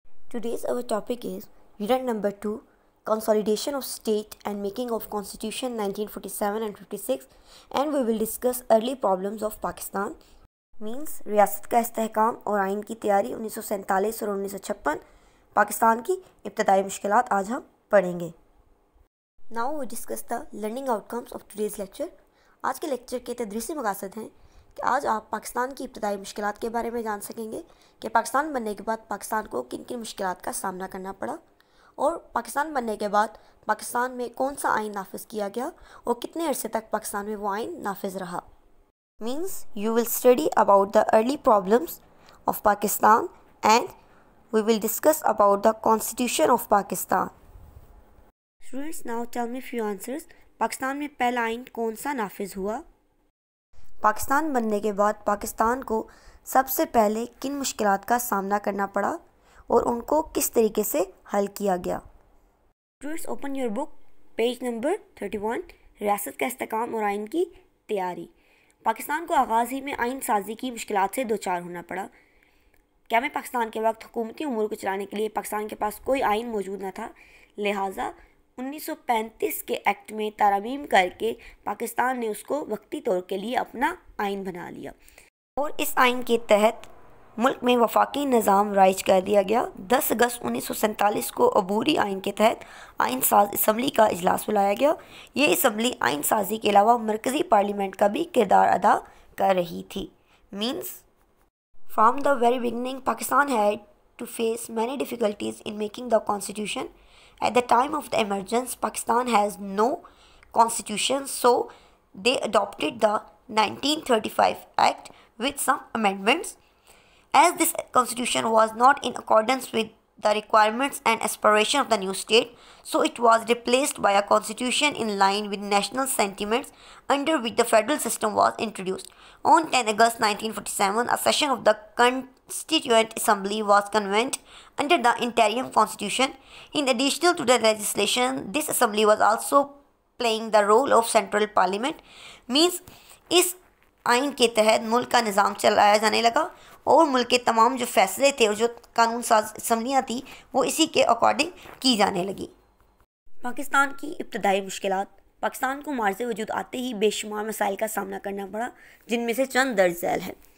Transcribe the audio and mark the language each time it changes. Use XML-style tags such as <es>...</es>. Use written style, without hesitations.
<en>today's over topic is unit number 2، consolidation of state and making of constitution 1947 and 56، and we will discuss early problems of Pakistan, means</en> <ur>ریاست کا استحکام اور آئین کی تیاری 1947 اور 1956، پاکستان کی ابتدائی مشکلات آج ہم پڑھیں گے.</ur> <en>Now we discuss the learning out comes of today's lecture.</en> <ur>آج کے لیکچر کے تدریسی مقاصد ہیں کہ آج آپ پاکستان کی ابتدائی مشکلات کے بارے میں جان سکیں گے کہ پاکستان بننے کے بعد پاکستان کو کن کن مشکلات کا سامنا کرنا پڑا، اور پاکستان بننے کے بعد پاکستان میں کون سا آئین نافذ کیا گیا اور کتنے عرصے تک پاکستان میں وہ آئین نافذ رہا.</ur> <en>Means you will study about the early problems of Pakistan and we will discuss about the constitution of Pakistan. Students, now tell me few answers.</en> <ur>Pakistan میں پہلا آئین کون سا نافذ ہوا؟ پاکستان بننے کے بعد پاکستان کو سب سے پہلے کن مشکلات کا سامنا کرنا پڑا اور ان کو کس طریقے سے حل کیا گیا؟ Students,</ur> <en>open your book page number 31،</en> <ur>ریاست کا استحکام اور آئین کی تیاری. پاکستان کو آغاز ہی میں آئین سازی کی مشکلات سے دوچار ہونا پڑا. کیا میں پاکستان کے وقت حکومتی امور کو چلانے کے لیے پاکستان کے پاس کوئی آئین موجود نہ تھا، لہٰذا 1935 کے ایکٹ میں ترمیم کر کے پاکستان نے اس کو وقتی طور کے لیے اپنا آئین بنا لیا، اور اس آئین کے تحت ملک میں وفاقی نظام رائج کر دیا گیا. 10 اگست 1947 کو عبوری آئین کے تحت آئین ساز اسمبلی کا اجلاس بلایا گیا. یہ اسمبلی آئین سازی کے علاوہ مرکزی پارلیمنٹ کا بھی کردار ادا کر رہی تھی.</ur> <en>Means from the very beginning Pakistan had to face many difficulties in making the constitution. At the time of the emergence, Pakistan has no constitution, so they adopted the 1935 Act with some amendments. As this constitution was not in accordance with the requirements and aspiration of the new state, so it was replaced by a constitution in line with national sentiments, under which the federal system was introduced. On 10 August 1947, a session of the Constituent Assembly was convened under the interim constitution. In addition to the legislation, this assembly was also playing the role of central parliament. Means is</en> <ur>آئین کے تحت ملک کا نظام چلایا جانے لگا، اور ملک کے تمام جو فیصلے تھے اور جو قانون ساز اسمبلیاں تھیں وہ اسی کے اکارڈنگ کی جانے لگی. پاکستان کی ابتدائی مشکلات. پاکستان کو مارز وجود آتے ہی بے شمار مسائل کا سامنا کرنا پڑا، جن میں سے چند درج ذیل ہیں.</ur>